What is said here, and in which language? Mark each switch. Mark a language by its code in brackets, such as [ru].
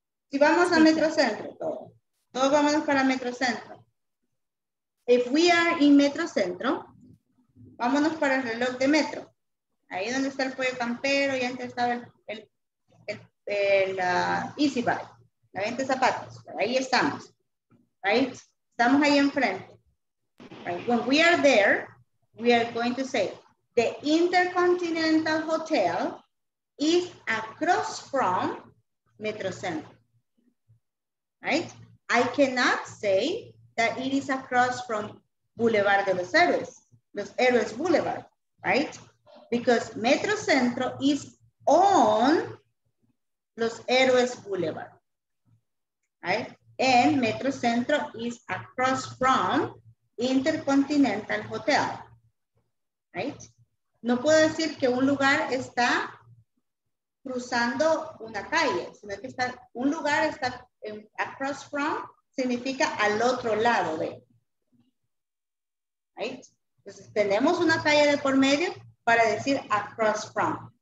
[es] Si vamos a Metrocentro, todos vamos para Metrocentro. [en] If we are in [es] Metrocentro, vámonos para el reloj de metro. Ahí donde está el pollo campero, ya antes estaba el Easy Buy, la venta de zapatos. Ahí estamos. Ahí estamos ahí enfrente. Right. [en] When we are there, we are going to say, the Intercontinental Hotel is across from Metrocentro. Right? I cannot say that it is across from Boulevard de los Héroes, Los Héroes Boulevard, right? Because Metrocentro is on Los Héroes Boulevard, right? And Metrocentro is across from Intercontinental Hotel, right? [es] No puedo decir que un lugar está cruzando una calle, sino que está, un lugar está en, across from, significa al otro lado de, right? Entonces, tenemos una calle de por medio para decir across from.